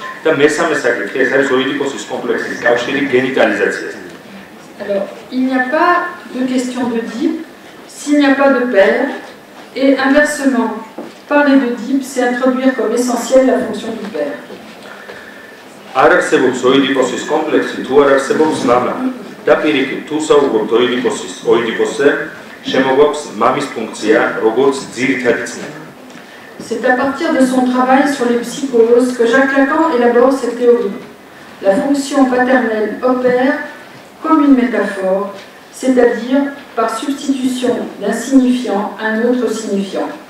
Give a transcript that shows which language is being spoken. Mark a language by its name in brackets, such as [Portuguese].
[Georgian] და მესამე საკითხი ეს არის ოიდიპოსის კომპლექსის კავშირი გენიტალიზაციასთან. [French] Alors, il n'y a pas de question d'Œdipe s'il n'y a pas de père. Et inversement, parler d'Œdipe, c'est introduire comme essentiel la fonction du père. [Georgian] Არ არსებობს ოიდიპოსის კომპლექსი, თუ არ არსებობს მამა. Და პირიქით, თუ საუბრობთ ოიდიპოსის ოიდიპოსზე, შემოგვაქვს მამის ფუნქცია, როგორც ძირითადი ცნება. [French] C'est à partir de son travail sur les psychoses que Jacques Lacan élabore cette théorie. La fonction paternelle opère comme une métaphore, c'est-à-dire par substitution d'un signifiant à un autre signifiant.